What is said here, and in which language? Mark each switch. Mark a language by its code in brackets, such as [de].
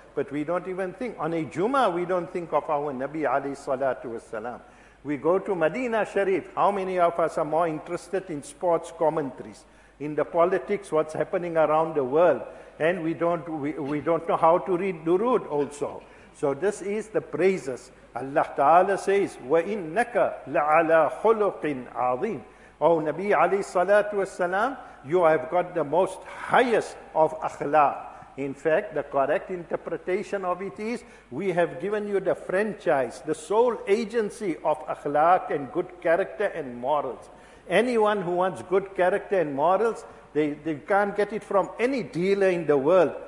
[en] But we don't even think, on a Jummah, we don't think of our Nabi alayhi salatu wa sallam. We go to Medina Sharif. How many of us are more interested in sports commentaries? In the politics, what's happening around the world? And we don't know how to read durood also. So this is the praises. Allah Ta'ala says, [ar] وَإِنَّكَ لَعَلَىٰ خُلُقٍ عَظِيمٍ. [en] Oh Nabi alayhi salatu wasalam, you have got the most highest of akhlaq. In fact, the correct interpretation of it is, we have given you the franchise, the sole agency of akhlaq and good character and morals. Anyone who wants good character and morals, they can't get it from any dealer in the world.